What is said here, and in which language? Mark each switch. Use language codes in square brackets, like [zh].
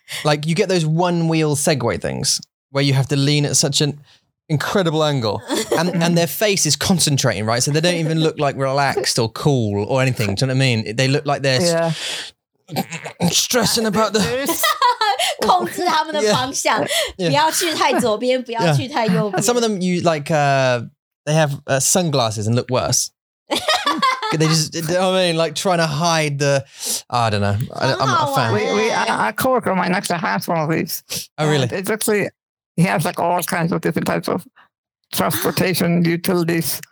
[en] Like you get those one wheel Segway things where you have to lean at such an incredible angle, and their face is concentrating, right? So they don't even look like relaxed or cool or anything. Do you know what I mean? They look like they're stressing about the. [zh] 控制他们的方向，不要去太左边，不要去太右边。 [en] Some of them you like, they have sunglasses and look worse. They just, I mean, like trying to hide the, I don't know. I'm not a fan. Our coworker might actually have one of these. Oh, really? It's actually, he has like all kinds of different types of transportation utilities.